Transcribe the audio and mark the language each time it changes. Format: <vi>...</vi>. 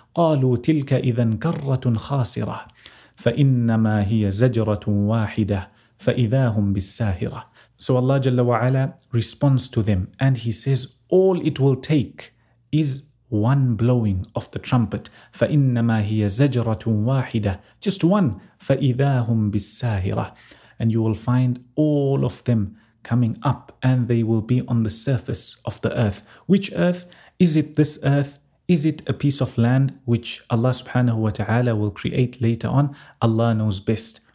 <ar>قَالُوا تِلْكَ إِذًا كَرَّةٌ خَاسِرَةٌ فَإِنَّمَا هِيَ زَجْرَةٌ وَاحِدَةٌ فَإِذَا هُمْ بِالسَّاهِرَةِ</ar> <en>So Allah Jalla wa'ala responds to them and he says, all it will take is one blowing of the trumpet.</en> <ar>فَإِنَّمَا هِيَ زَجْرَةٌ وَاحِدَةٌ</ar> <en>Just one.</en> <ar>فَإِذَا هُمْ بِالسَّاهِرَةِ</ar> <en>And you will find all of them coming up and they will be on the surface of the earth. Which earth? Is it this earth? Is it a piece of land which Allah subhanahu wa ta'ala will create later on? Allah knows best.</en>